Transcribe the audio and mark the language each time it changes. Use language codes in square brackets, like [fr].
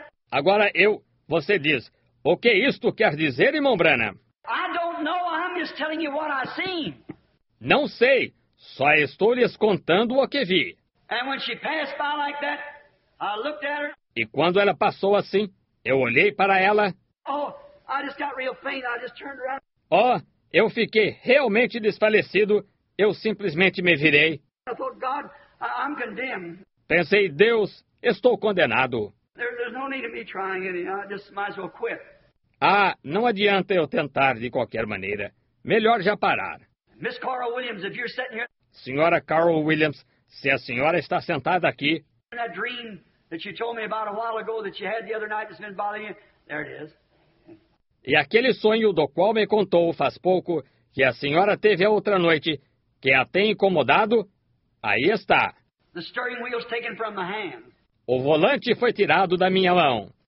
[pt] Agora eu, você diz, o que isto quer dizer, irmão Branham? [en] I don't know, I'm just telling you what I've seen. [pt] Não sei, só estou lhes contando o que vi. [en] And when she passed by like that, I looked at her. [pt] E quando ela passou assim, eu olhei para ela. [en] Oh, I just got real faint, I just turned around. [pt] Oh, eu fiquei realmente desfalecido, eu simplesmente me virei. [en] I thought, God, I'm condemned. [pt] Pensei, Deus, estou condenado. [en] There's no need of me trying any, I just might as well quit. [pt] Ah, não adianta eu tentar de qualquer maneira. Melhor já parar. [en] Miss Carol Williams, if you're sitting here... [pt] Senhora Carol Williams, se a senhora está sentada aqui... [en] That dream that you told me about a while ago that you had the other night that's been bothering you... There it is. [pt] E aquele sonho do qual me contou faz pouco que a senhora teve a outra noite que a tem incomodado, aí está. [en] The steering wheel's taken from my hand. [pt] O volante foi tirado da minha mão.